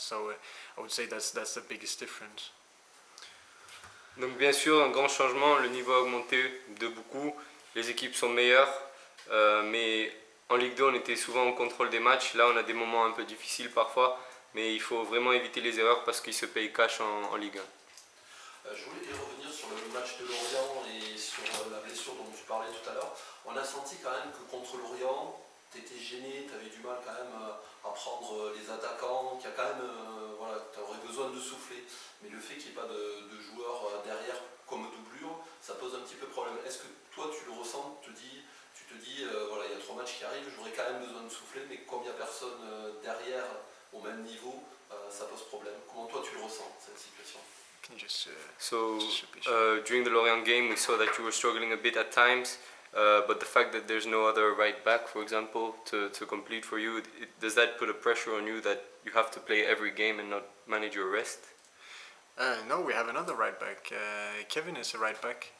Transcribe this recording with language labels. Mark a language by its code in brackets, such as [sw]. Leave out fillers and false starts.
[en] So I would say that's the biggest difference. [fr] Donc bien sûr, un grand changement, le niveau a augmenté de beaucoup, les équipes sont meilleures, mais en Ligue 2 on était souvent au contrôle des matchs, là on a des moments un peu difficiles parfois, mais il faut vraiment éviter les erreurs parce qu'ils se payent cash en Ligue 1. Je voulais revenir sur le match de Lorient et sur la blessure dont tu parlais tout à l'heure. On a senti quand même que contre Lorient, tu étais gêné, tu avais du mal quand même à prendre les attaquants, qu'il y a quand même, tu aurais besoin de souffler. Mais le fait qu'il n'y ait pas de joueurs derrière comme doublure, ça pose un petit peu problème. Est-ce que toi tu le ressens, tu te dis, il y a 3 matchs qui arrivent, j'aurais quand même besoin de souffler, mais comme il n'y a personne derrière au même niveau, ça pose problème. Comment toi tu le ressens, cette situation? [en] During the Lorient game, we saw that you were struggling a bit at times, but the fact that there's no other right back, for example, to complete for you, does that put a pressure on you that you have to play every game and not manage your rest? No, we have another right back. Kevin is a right back.